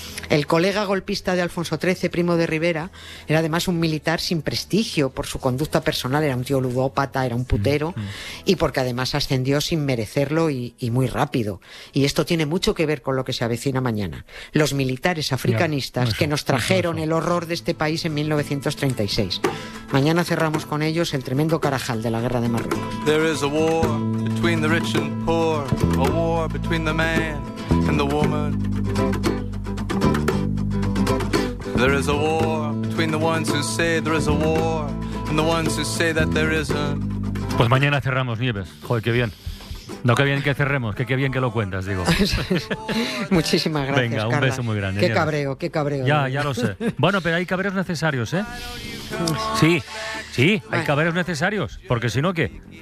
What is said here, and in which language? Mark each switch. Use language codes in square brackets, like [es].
[es] El colega golpista de Alfonso XIII, primo de Rivera, era además un militar sin prestigio por su conducta personal, era un tío ludópata, era un putero, y porque además ascendió sin merecerlo y muy rápido. Y esto tiene mucho que ver con lo que se avecina mañana. Los militares africanistas que nos trajeron el horror de este país en 1936. Mañana cerramos con ellos el tremendo carajal de la guerra de Marruecos. [en] There is a war between the rich and poor, a war between the man and the woman. There is a war between the ones who say there is a war and the ones who say that there isn't. [es] Pues mañana cerramos, Nieves. Joder, qué bien. No, qué bien que cerremos, qué bien que lo cuentas, digo. Muchísimas gracias. Venga, un Carla. Beso muy grande. Qué Nieves. Cabreo, qué cabreo. Ya, ya lo sé. Bueno, pero hay cabreos necesarios, ¿eh? Sí. Sí, hay cabreos necesarios, porque si no, ¿qué?